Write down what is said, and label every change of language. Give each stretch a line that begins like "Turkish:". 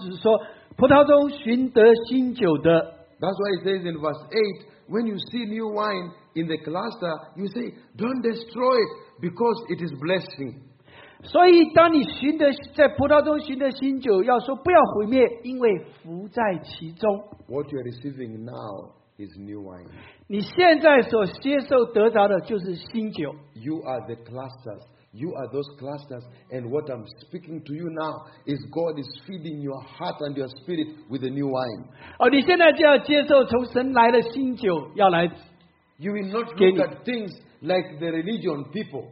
Chinese: 耶稣不是说不可以把新酒放到旧皮袋里面，但是耶和华如此说，葡萄中寻得新酒的。
English: That's why he says in verse 8, when you see new wine in the cluster, you say, don't destroy it because it is blessing.
Chinese: 所以当你寻得在葡萄中寻得新酒，要说不要毁灭，因为福在其中。
English: What you are receiving now is new wine.
Chinese: 你现在所接受得着的就是新酒。
English: You are the clusters. You are those clusters. And what I'm speaking to you now is God is feeding your heart and your spirit with the new wine.
Chinese: 你现在就要接受从神来的新酒要来。
English: You will not look at things like the religion people.